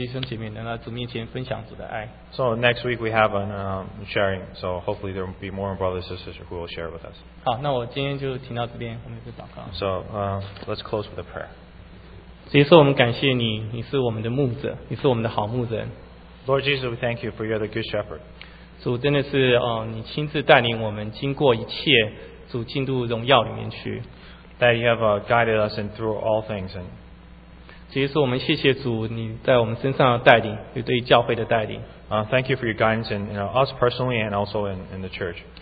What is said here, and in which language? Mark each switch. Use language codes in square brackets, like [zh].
[zh] 特别尤其下礼拜我们有在主面前一些分享机会，我在这边只是希望我们这边分享带领出下礼拜有更多弟兄姐妹能在主面前分享主的爱。 [en] So next week we have a sharing, so hopefully there will be more brothers and sisters who will share with us. [zh] 好，那我今天就停到这边，我们就祷告。 [en] So let's close with a prayer. [zh] 主耶稣，我们感谢你，你是我们的牧者，你是我们的好牧人。 [en] Lord Jesus, we thank you for you're the good shepherd. [zh] 主真的是，你亲自带领我们经过一切，主进入荣耀里面去。 [en] That you have guided us in through all things and. [zh] 主耶稣，我们谢谢主你在我们身上的带领，也对教会的带领。 [en] Thank you for your guidance in us personally and also in the church.